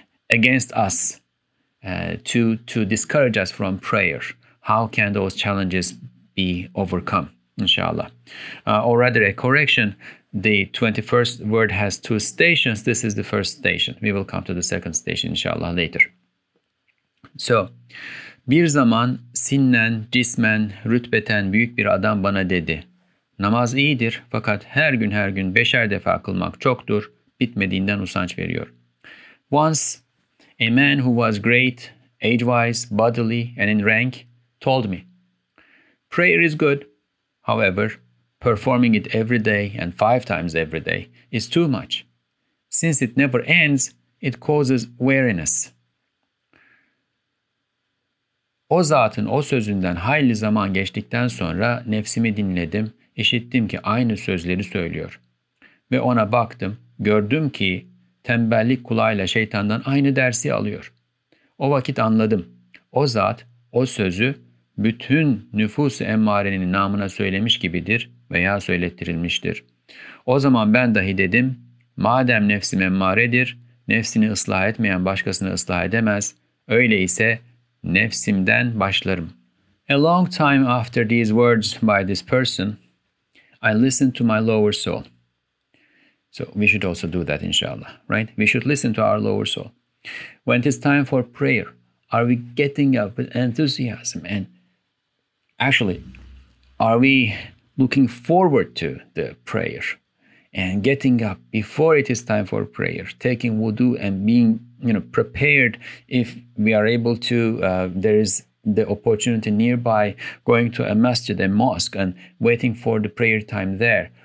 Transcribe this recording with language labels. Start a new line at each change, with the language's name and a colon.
English: against us to discourage us from prayer, how can those challenges be overcome, inshallah. Or rather, a correction, the 21st word has two stations. This is the first station. We will come to the second station, inshallah, later.
Turkish: So, bir zaman sinnen, cismen, rütbeten büyük bir adam bana dedi. Namaz iyidir fakat her gün beşer defa kılmak çoktur, bitmediğinden usanç veriyor.
English: Once, a man who was great, age-wise, bodily and in rank, told me, prayer is good, however, performing it every day and five times every day is too much. Since it never ends, it causes weariness.
Turkish: O zatın o sözünden hayli zaman geçtikten sonra nefsimi dinledim, işittim ki aynı sözleri söylüyor. Ve ona baktım, gördüm ki tembellik kulağıyla şeytandan aynı dersi alıyor. O vakit anladım, o zat o sözü bütün nüfus-ı emmarenin namına söylemiş gibidir veya söylettirilmiştir. O zaman ben dahi dedim, madem nefsim emmaredir, nefsini ıslah etmeyen başkasını ıslah edemez, öyleyse nefsimden başlarım.
English: A long time after these words by this person, I listened to my lower soul. So we should also do that, inshallah, right? We should listen to our lower soul. When it is time for prayer, are we getting up with enthusiasm? And actually, are we looking forward to the prayer and getting up before it is time for prayer, taking wudu and being, you know, prepared if we are able to, there is the opportunity nearby, going to a masjid, a mosque, and waiting for the prayer time there.